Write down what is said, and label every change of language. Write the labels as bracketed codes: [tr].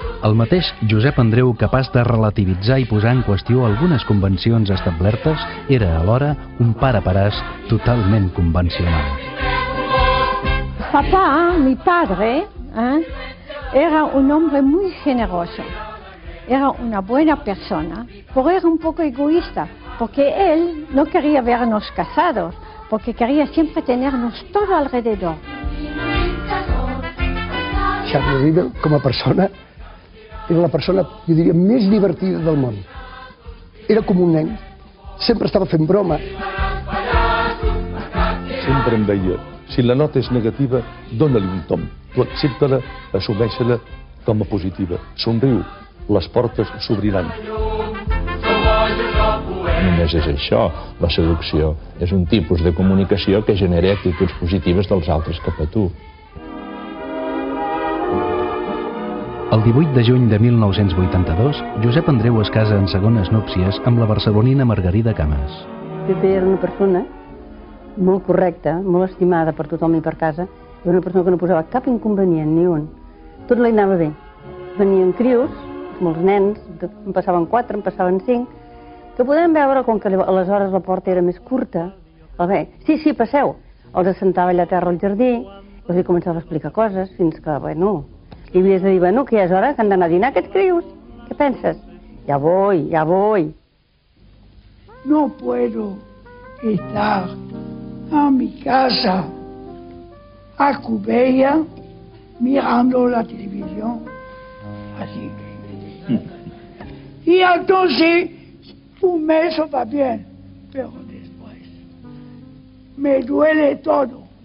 [ca] El mateix Josep Andreu, capaç de relativitzar i posar en qüestió algunes convencions establertes, era alhora un pare paràs totalment convencional. [es] Papà, mi padre, era un hombre muy generoso. Era una buena persona, pero era un poco egoísta, porque él no quería vernos casados, porque quería siempre tenernos todo alrededor. [ca] Charlie Rivel, com a persona, era la persona, jo diria, més divertida del món. Era com un nen, sempre estava fent broma. Sempre em deia, si la nota és negativa, dóna-li un tomb. Tu accepta-la, assumeix-la com a positiva. Somriu, les portes s'obriran. Només és això, la seducció. És un tipus de comunicació que genera actituds positives dels altres cap a tu. El 18 de juny de 1982, Josep Andreu es casa en segones núpcies amb la barcelonina Margarida Camas. Josep era una persona molt correcta, molt estimada per tothom i per casa. Era una persona que no posava cap inconvenient, ni un. Tot li anava bé. Venien crios, molts nens, en passaven 4, en passaven 5, que podem veure com que aleshores la porta era més curta. A veure, sí, sí, passeu. Els assentava allà a terra al jardí, i els començava a explicar coses, fins que, bueno, i havies de dir, bueno, que ja és hora, que han d'anar a dinar, que et crius. Què penses? [es] Ja voy, ja voy. No puedo estar a mi casa a Cubella mirando la televisión. Así que... Y entonces, un mes va bien, pero después me duele todo.